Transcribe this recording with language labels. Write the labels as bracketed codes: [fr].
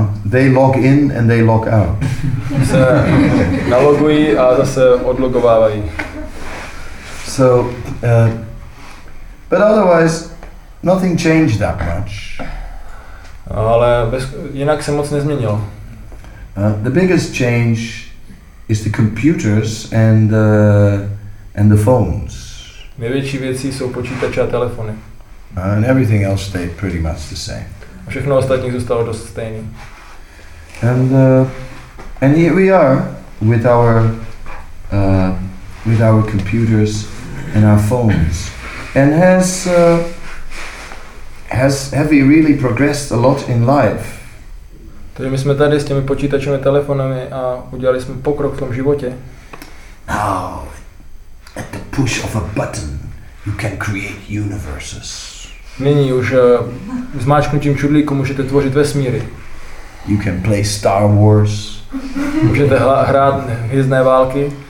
[en] They log in and they log out. [cs] Se nalogují a zase odlogovávají. [en] So, but otherwise, nothing changed that much. [cs] Ale jinak se moc nezměnilo. [en] The biggest change is the computers and the phones. [cs] Největší věcí jsou počítače a telefony. [en] And everything else stayed pretty much the same. [cs] A všechno ostatní zůstalo dost stejný. [en] And here we are with our computers and our phones. And have we really progressed a lot in life? [cs] Takže my jsme tady s těmi počítačemi, telefonami a udělali jsme pokrok v tom životě. [en] Now, at the push of a button, you can create universes. [cs] Nyní už zmáčknutím čudlíku můžete tvořit vesmíry. [en] You can play Star Wars. [cs] Můžete hrát Hvězdné války.